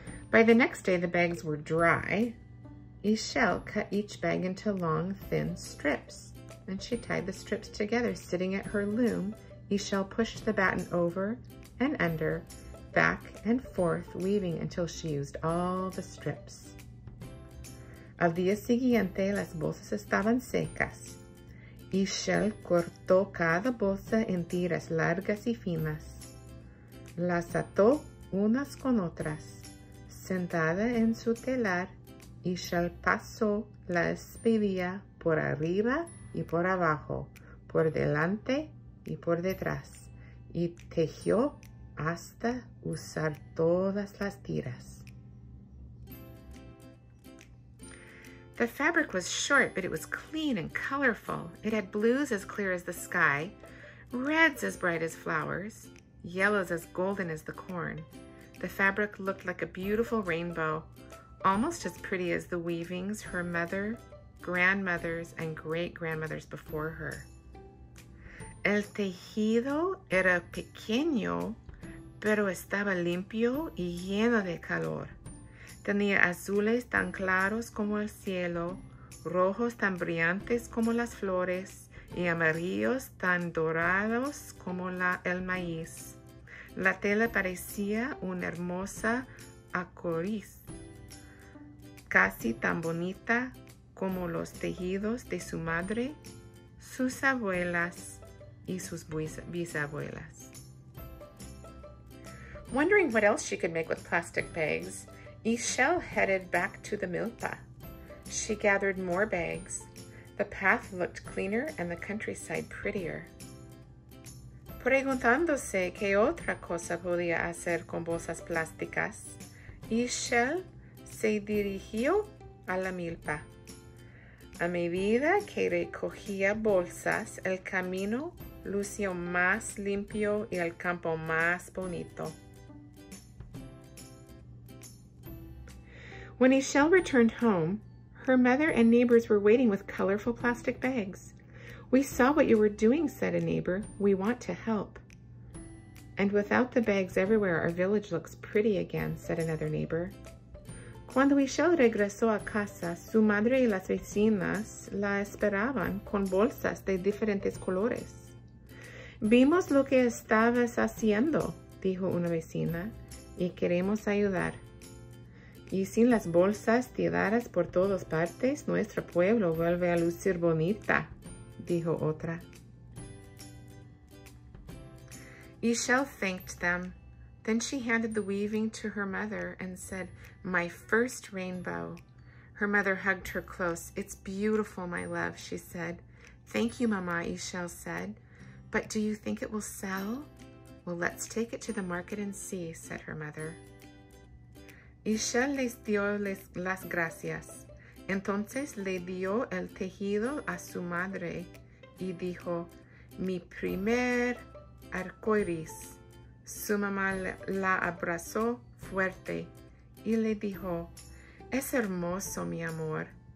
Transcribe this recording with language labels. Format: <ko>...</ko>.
<en>By the next day, the bags were dry. Ishel cut each bag into long, thin strips, and she tied the strips together. Sitting at her loom, Ishel pushed the batten over and under, back and forth, weaving until she used all the strips.</en> <es>Al día siguiente, las bolsas estaban secas. Ishel cortó cada bolsa en tiras largas y finas. Las ató unas con otras. Sentada en su telar, Ishel pasó la espiguilla por arriba y por abajo, por delante y por detrás, y tejió hasta usar todas las tiras.</es> <en>The fabric was short, but it was clean and colorful. It had blues as clear as the sky, reds as bright as flowers, yellows as golden as the corn. The fabric looked like a beautiful rainbow, almost as pretty as the weavings her mother, grandmothers, and great-grandmothers before her.</en> <es>El tejido era pequeño, pero estaba limpio y lleno de calor. Tenía azules tan claros como el cielo, rojos tan brillantes como las flores, y amarillos tan dorados como el maíz. La tela parecía una hermosa arcoiris, casi tan bonita como los tejidos de su madre, sus abuelas, y sus bisabuelas.</es> <en>Wondering what else she could make with plastic bags, Ishel headed back to the milpa. She gathered more bags. The path looked cleaner and the countryside prettier.</en> <es>Preguntándose qué otra cosa podía hacer con bolsas plásticas, Ishel se dirigió a la milpa. A medida que recogía bolsas, el camino lució más limpio y el campo más bonito.</es> <en>When Ishel returned home, her mother and neighbors were waiting with colorful plastic bags. "We saw what you were doing," said a neighbor. "We want to help." "And without the bags everywhere, our village looks pretty again," said another neighbor.</en> <es>Cuando Ishel regresó a casa, su madre y las vecinas la esperaban con bolsas de diferentes colores. "Vimos lo que estabas haciendo," dijo una vecina, "y queremos ayudar." Y sin las bolsas tiradas por todas partes, nuestro pueblo vuelve a lucir bonita, dijo otra.</es> <en>Ishel thanked them. Then she handed the weaving to her mother and said, "My first rainbow." Her mother hugged her close. "It's beautiful, my love," she said. "Thank you, Mama," Ishel said. "But do you think it will sell?" "Well, let's take it to the market and see," said her mother.</en> <es>Ishel les dio las gracias. Entonces le dio el tejido a su madre y dijo, "Mi primer arcoiris." Su mamá la abrazó fuerte y le dijo, "Es hermoso, mi amor."</es>